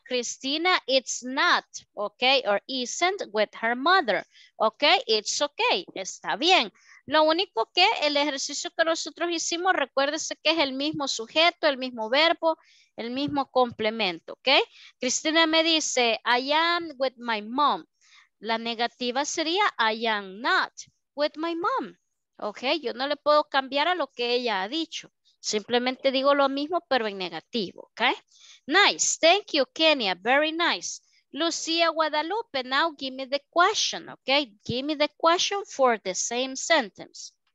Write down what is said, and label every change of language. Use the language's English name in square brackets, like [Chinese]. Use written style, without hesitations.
[English] Cristina, it's not, okay, or isn't with her mother. Okay, it's okay. [Spanish] Está bien. Lo único que el ejercicio que nosotros hicimos, recuérdese que es el mismo sujeto, el mismo verbo, el mismo complemento, okay? Cristina me dice, [English] I am with my mom. [Spanish] La negativa sería, [English] I am not with my mom. [Spanish] Okay, yo no le puedo cambiar a lo que ella ha dicho. Simplemente digo lo mismo, pero en negativo, okay? [English] Nice, thank you, Kenya, very nice. Lucia Guadalupe, now give me the question, okay? Give me the question for the same sentence.